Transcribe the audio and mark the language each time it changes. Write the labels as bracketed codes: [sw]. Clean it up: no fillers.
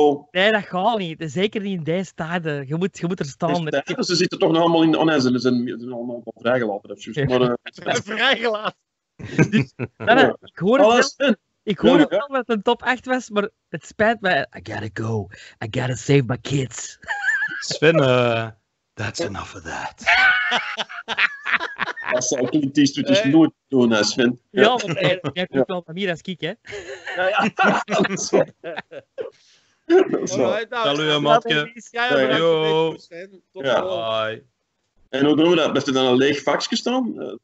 [nl] Nee, dat gaat niet. Zeker niet in deze tijden. Je moet er staan. Ze zitten toch nog allemaal in... Oh nee, ze zijn allemaal vrijgelaten. Vrijgelaten. Ik hoor het. Ik hoor het wel dat het een top 8 was, maar het spijt me. [en] I gotta go. I gotta save my kids. Sven, that's enough of that. [nl] Dat zou Clint Eastwood dus nooit doen, hè, Sven. Ja, want jij hebt ook wel van hier als kiek, hè. Ja. Salut, matje. Yo. Bye. En hoe doen we dat? Ben je dan een leeg vakje staan?